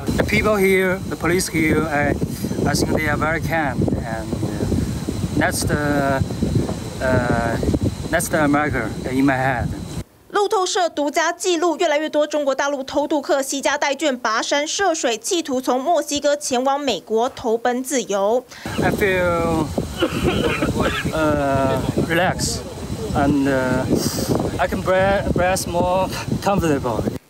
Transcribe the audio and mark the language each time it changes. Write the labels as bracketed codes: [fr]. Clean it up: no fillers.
[en] The people here, the police here, I think they are very kind, and that's the America in my head. [zh] 路透社独家记录，越来越多中国大陆偷渡客携家带眷，跋山涉水，企图从墨西哥前往美国，投奔自由。 [en] I feel relaxed, and I can breathe more comfortable.